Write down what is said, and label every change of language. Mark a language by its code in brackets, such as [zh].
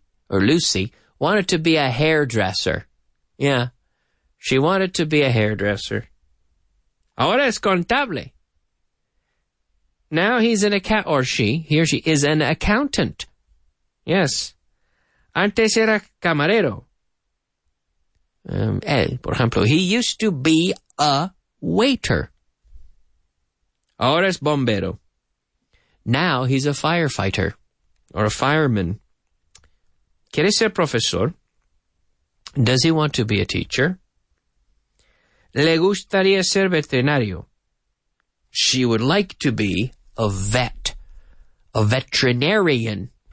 [en] Lucy wanted to be a hairdresser. Yeah, she wanted to be a hairdresser. [es] Ahora es contable. [en] Now he's an accountant, or he or she is an accountant. Yes. [es] Antes era camarero. Él, por ejemplo, [en] he used to be a waiter. [es] Ahora es bombero. [en] Now he's a firefighter or a fireman. [es] ¿Quiere ser profesor? [en] Does he want to be a teacher? [es] ¿Le gustaría ser veterinario? [en] She would like to be a vet, a veterinarian.